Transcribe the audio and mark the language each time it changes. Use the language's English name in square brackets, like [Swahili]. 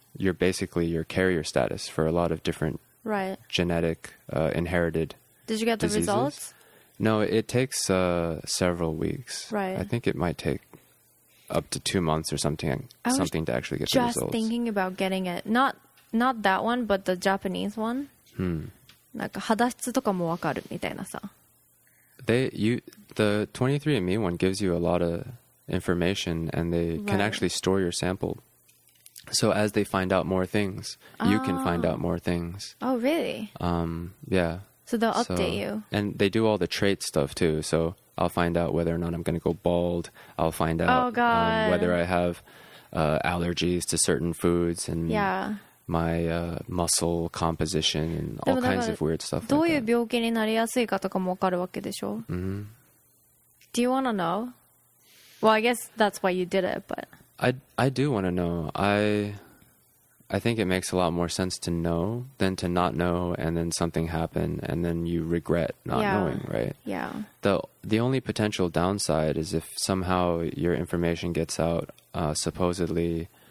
[English] you're basically your carrier status for a lot of different、 right. genetic inherited diseases. Did you get diseases. The results? No, it takes several weeks. Right. I think it might take up to 2 months or something to actually get the results. I was just thinking about getting it. Not that one, but the Japanese one. Hmm. [Japanese] なんか肌質とかもわかるみたいなさ。 [English] The 23andMe one gives you a lot of information and they、right. can actually store your sample. So as they find out more things,、oh. you can find out more things. Oh, really? Yeah. So they'll update you. And they do all the trait stuff too. So I'll find out whether or not I'm going to go bald. I'll find out、 oh, God. Whether I have allergies to certain foods and、 yeah. my muscle composition and all kinds of weird stuff [Japanese] どういう病気になりやすいかとかもわかるわけでしょ、 [English] mm-hmm. Do you want to know? Well, I guess that's why you did it, but... I do want to know. I think it makes a lot more sense to know than to not know and then something happen and then you regret not yeah. knowing, right? Yeah. The only potential downside is if somehow your information gets out, supposedly...